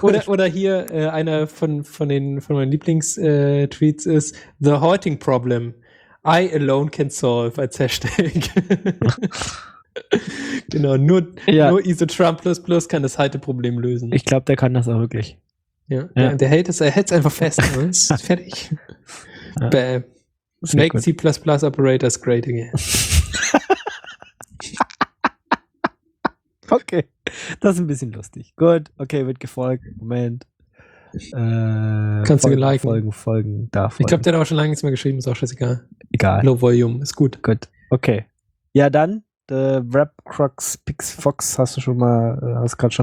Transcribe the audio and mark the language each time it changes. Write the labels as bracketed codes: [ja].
[de] Oder hier einer von meinen Lieblingstweets ist The Halting Problem. [en] I alone can solve [de] als Hashtag. Genau, nur ISO-Trump++ kann das Halteproblem lösen. Ich glaube, der kann das auch wirklich. Ja. Der hält es einfach fest. Ne? Fertig. Ja. Bäm. [en] Make C++ Operators great again. [de] Okay, das ist ein bisschen lustig. Gut, okay, wird gefolgt. Moment. Kannst du liken. Folgen davon. Ich glaube, der hat auch schon lange nichts mehr geschrieben, ist auch scheißegal. Egal. Low Volume, ist gut. Gut, okay. Ja, dann. The Rap Crux Pix Fox hast du schon mal, hast gerade schon